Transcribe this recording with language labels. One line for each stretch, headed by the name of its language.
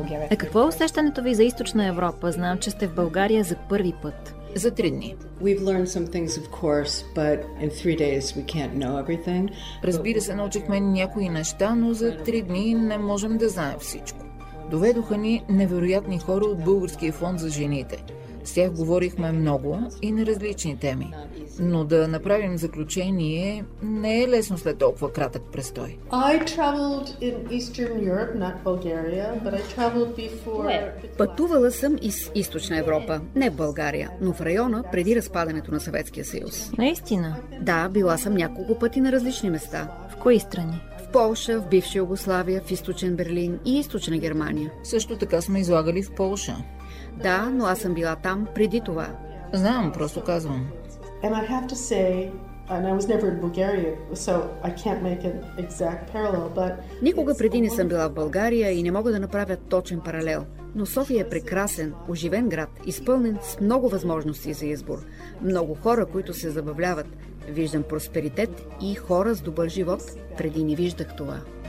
Bulgarian: А какво е усещането ви за Източна Европа? Знам, че сте в България за първи път. За три дни.
English: We've learned some things, of course, but in three days we can't know everything.
Bulgarian: Разбира се, научихме някои неща, но за три дни не можем да знаем всичко. Доведоха ни невероятни хора от Българския фонд за жените. С тях говорихме много и на различни теми. Но да направим заключение, не е лесно след толкова кратък престой. Пътувала съм из Източна Европа, не България, но в района преди разпадането на Съветския съюз. Наистина? Да, била съм няколко пъти на различни места. В кои страни? В Полша, в бивша Югославия, в Източен Берлин и Източна Германия. Също така сме излагали в Полша. Да, но аз съм била там преди това. Знам, просто казвам.
English: And I have to say, and I was never in Bulgaria, so I can't make an exact parallel, but
Bulgarian: никога преди не съм била в България и не мога да направя точен паралел. Но София е прекрасен, оживен град, изпълнен с много възможности за избор. Много хора, които се забавляват. Виждам просперитет и хора с добър живот. Преди не виждах това.